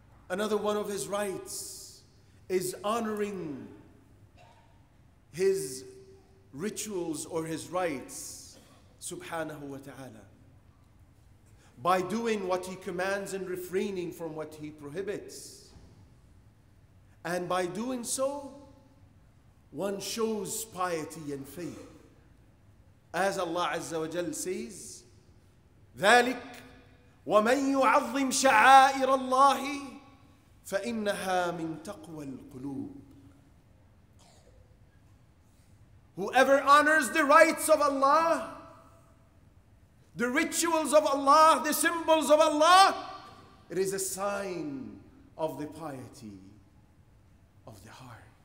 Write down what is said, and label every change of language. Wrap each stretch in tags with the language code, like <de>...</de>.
<en>Another one of His rights is honoring His rituals or His rites, subhanahu wa ta'ala, by doing what He commands and refraining from what He prohibits. And by doing so, one shows piety and faith. As Allah Azza wa Jal says,</en> <ar>ذلك ومن يعظم شعائر الله فإنها من تقوى القلوب.</ar> <en>Whoever honors the rites of Allah, the rituals of Allah, the symbols of Allah, it is a sign of the piety of the heart.</en>